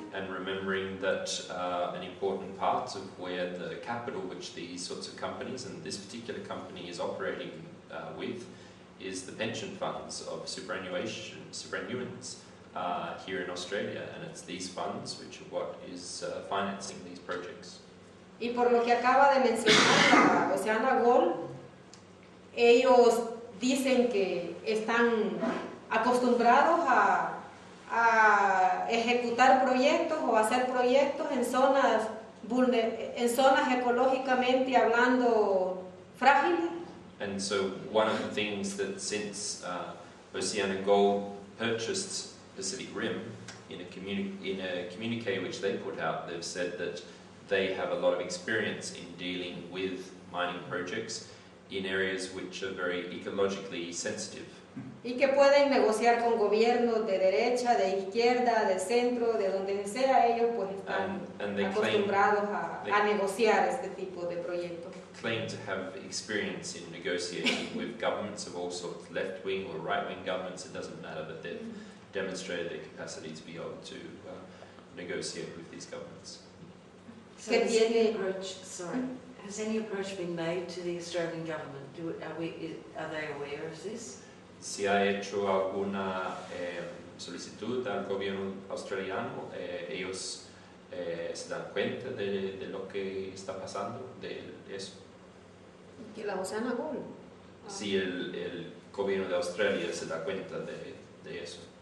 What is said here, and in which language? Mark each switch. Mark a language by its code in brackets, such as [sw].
[en] And remembering that an important part of where the capital which these sorts of companies and this particular company is operating with is the pension funds of superannuants here in Australia, and it's these funds which are what is financing these projects. [es] Y por lo que acaba de mencionar Oceana Gold, ellos dicen que están acostumbrados a ejecutar proyectos o hacer proyectos en zonas ecológicamente hablando frágiles. [en] And so one of the things that since Oceana Gold purchased Pacific Rim, in a communique which they put out, they've said that they have a lot of experience in dealing with mining projects in areas which are very ecologically sensitive. [es] Y que pueden negociar con gobiernos de derecha, de izquierda, de centro, de donde sea, ellos pues están acostumbrados a negociar este tipo de proyectos. [en] Claim to have experience in negotiating with governments of all sorts, left-wing or right-wing governments, it doesn't matter, but they've demonstrated their capacity to be able to negotiate with these governments. So has any approach been made to the Australian government? Are they aware of this? [es] Si ha hecho alguna solicitud al gobierno australiano, ellos se dan cuenta de lo que está pasando, de eso. ¿Que la Oceana Gold? Si el gobierno de Australia se da cuenta de eso.